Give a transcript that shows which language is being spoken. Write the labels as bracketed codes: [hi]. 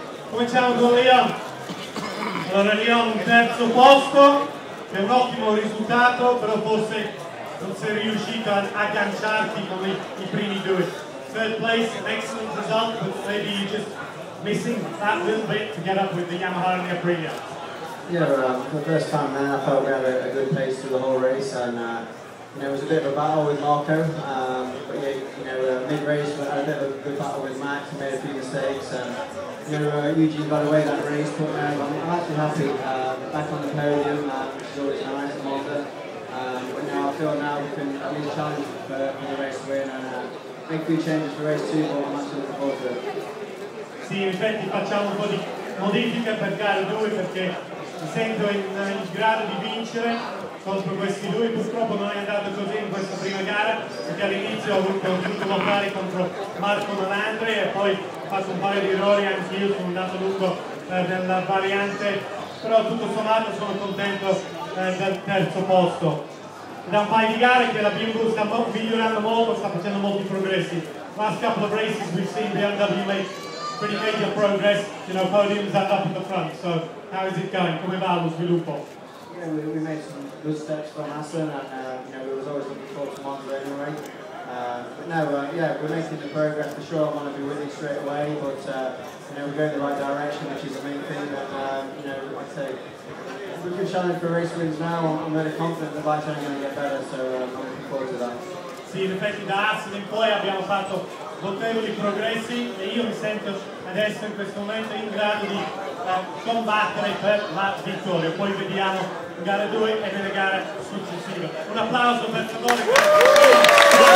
[it] Cominciamo con Leon. Allora Leon, un terzo posto, è un ottimo risultato, però forse non sei riuscito ad agganciarti come i primi due. [en] Third place, an excellent result, but maybe you're just missing that little bit to get up with the Yamaha and the Aprilia. Yeah, for the first time there, I felt we had a good pace through the whole race, and it was a bit of a battle with Marco, mid-race, but I had a bit of a good battle with Max, and made a few mistakes, and Eugene got away that race, but I'm actually happy, back on the podium, which is always nice, but now I feel now we can at least challenge for the race to win, and make a few changes for race 2, but I'm actually looking forward to it. [it] Sì, in effetti facciamo un po' di modifica per gara 2, perché mi sento in grado di vincere contro questi due, purtroppo non è andato così in questa prima gara, perché all'inizio ho avuto un tutto locale contro Marco Malandre e poi ho fatto un paio di errori anche io, sono andato lungo nella variante, però tutto sommato sono contento del terzo posto. Da un paio di gare che la BMW sta migliorando molto, sta facendo molti progressi. [en] Last couple of races we've seen the BMW make pretty major progress, you know, podiums are up in the front, so how is it going? [it] Come va lo sviluppo? [en] Yeah, we made some good steps from Aston, and we was always looking forward to Monza anyway. We're making the progress for sure. I want to be with you straight away, but we're going the right direction, which is the main thing. But I'd say we're a good challenge for race wins now. I'm really confident the bike's only going to get better, so I'm looking forward to that. [it] Sì, in effetti da Aston in poi abbiamo fatto notevoli progressi e io mi sento adesso in questo momento in grado di combattere per la vittoria. Poi vediamo in gara 2 e nelle gare successive. Un applauso per favore.